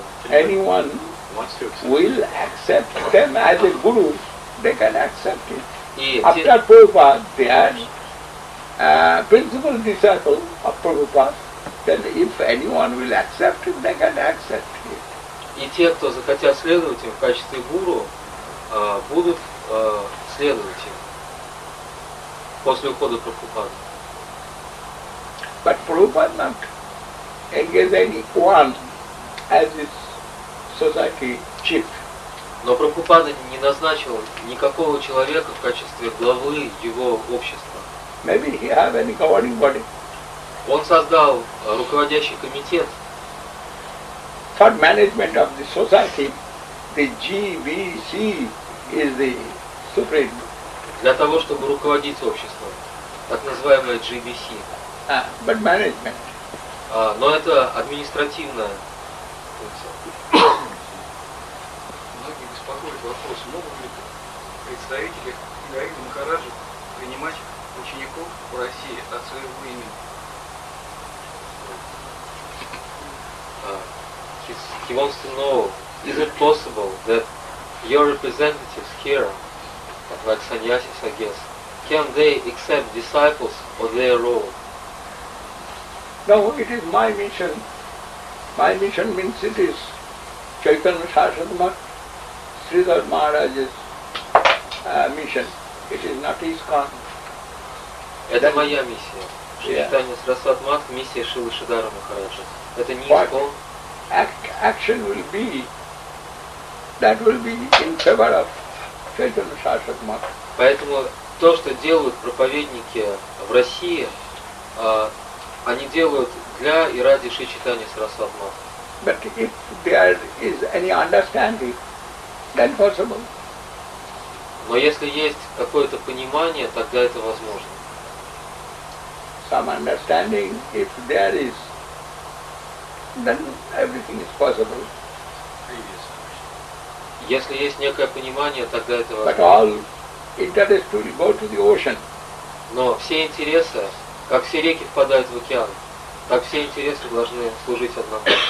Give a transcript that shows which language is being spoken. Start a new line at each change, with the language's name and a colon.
English: anyone will accept them as a guru, they can accept it. After Prabhupada, they are principal disciple of Prabhupada. Then if anyone will accept it, they can accept it.
Russian: И те, кто захотят следовать им в качестве гуру, будут следовать им после ухода Прабхупады.
English: But Prabhupada not engage anyone as his society chief.
Russian: Но Прабхупада не назначил никакого человека в качестве главы его общества.
English: Maybe he have any governing body.
Russian: Он создал руководящий комитет.
English: for management of the society, the GVC is the supreme.
Russian: Для того, чтобы руководить обществом, так называемое GVC.
English: But management.
Russian: Но это административная функция. Многие беспокоят вопрос, могут ли представители Гаиды Махараджи принимать учеников в России от своего имени?
English: He wants to know, is it possible that your representatives here, like sannyasis, I guess, can they accept disciples for their role? No, it is my mission. My mission means it is Chaitanya Sarasvati Sridhar Maharaj's mission. It is not his con.
Russian: Это моя миссия. Chaitanya Sarasvati Maharaj, миссия Шрилы Шридхара Махараджа. Это не
English: his con. Action will be, that will be in favor of Chaitanya Sarasvati Maharaj.
Russian: Поэтому то, что делают проповедники в России, они делают для и ради Шри Чайтаньи Сарасвати Матхи.
English: But if there is any understanding, then possible.
Russian: Но если есть какое-то понимание, тогда это возможно.
English: Some understanding, if there is, then everything is possible.
Russian: Если есть некое понимание, тогда это возможно.
English: But all interest will go to the ocean.
Russian: Но все интересы, как все реки впадают в океан, так все интересы должны служить одному.